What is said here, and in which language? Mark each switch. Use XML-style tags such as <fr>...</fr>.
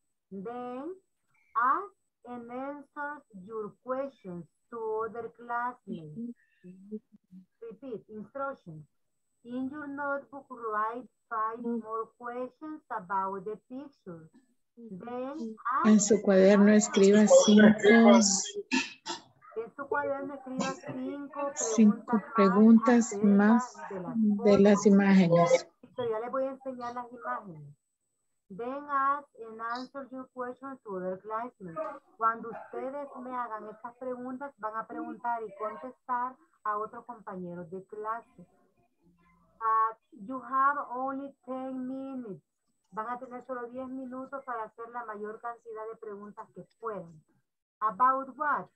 <en>Then, ask and answer your questions to other classmates. Repeat, instructions. In your notebook, write 5 more questions about the pictures.</en> <es>En su cuaderno escriba 5 preguntas más de las imágenes. Ya les voy a enseñar las imágenes.</es> <en>Then ask and answer your questions to other classmates.</en> <es>Cuando ustedes me hagan estas preguntas, van a preguntar y contestar a otros compañeros de clase.</es> <en>You have only 10 minutes.</en> <es>Van a tener solo 10 minutos para hacer la mayor cantidad de preguntas que puedan.</es> <en>About what?</en>